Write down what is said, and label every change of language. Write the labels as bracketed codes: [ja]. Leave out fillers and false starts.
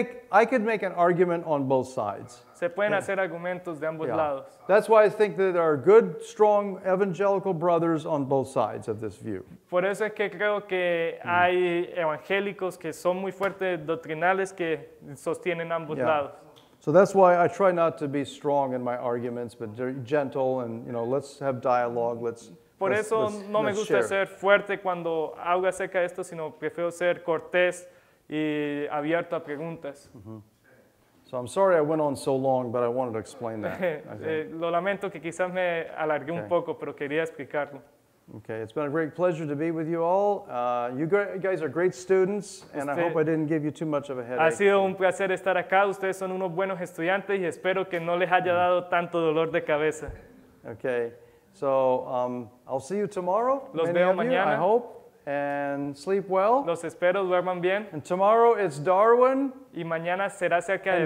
[en] I could make an argument on both sides. [es] Se pueden hacer argumentos de ambos lados. [en] That's why I think that there are good, strong evangelical brothers on both sides of this view. [es] Por eso es que creo que hay evangélicos que son muy fuertes doctrinales que sostienen ambos lados. [en] So that's why I try not to be strong in my arguments, but gentle and, you know, let's have dialogue, let's... [es] Por eso no me gusta ser fuerte cuando hablo acerca de esto, sino prefiero ser cortés y abierto a preguntas. [en] So I'm sorry I went on so long, but I wanted to explain that. [es] Lo lamento que quizás me alargué un poco, pero quería explicarlo. [en] Okay, it's been a great pleasure to be with you all. You guys are great students, and I hope I didn't give you too much of a headache. [es] Ha sido un placer estar acá. Ustedes son unos buenos estudiantes y espero que no les haya dado tanto dolor de cabeza. [en] Okay. So I'll see you tomorrow. [es] Los veo mañana. [en] I hope. And sleep well. [es] Los espero, duerman bien. [en] And tomorrow it's Darwin. [es] Y mañana será cerca de